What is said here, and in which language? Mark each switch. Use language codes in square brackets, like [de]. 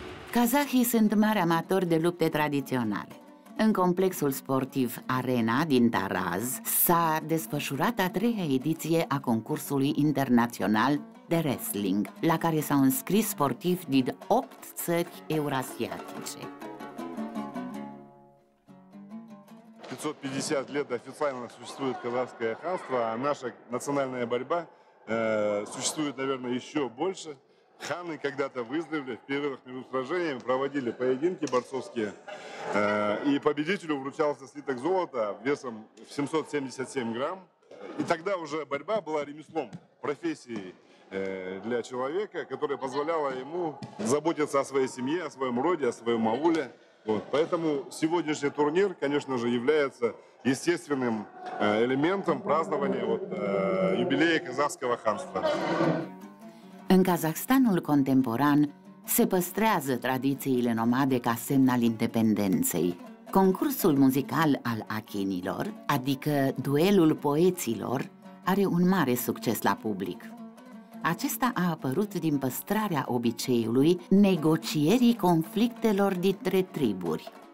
[ro] Kazahii sunt mari amatori de lupte tradiționale. În complexul sportiv Arena din Taraz s-a desfășurat a treia ediție a concursului internațional de wrestling, la care s-au înscris sportivi din 8 țări eurasiatice. [ru] 550 лет официально существует казахское ханство, а наша национальная борьба существует, наверное, еще больше. Ханы когда-то в Издревле в первых между сражениями проводили поединки борцовские, и победителю вручался слиток золота весом в 777 грамм. И тогда уже борьба была ремеслом, профессией для человека, которая позволяла ему заботиться о своей семье, о своем роде, о своем ауле. Вот. Поэтому сегодняшний турнир, конечно же, является естественным элементом празднования юбилея казахского ханства. [ro] În Kazahstanul contemporan se păstrează tradițiile nomade ca semn al independenței. Concursul muzical al achinilor, adică duelul poeților, are un mare succes la public. Acesta a apărut din păstrarea obiceiului negocierii conflictelor dintre triburi.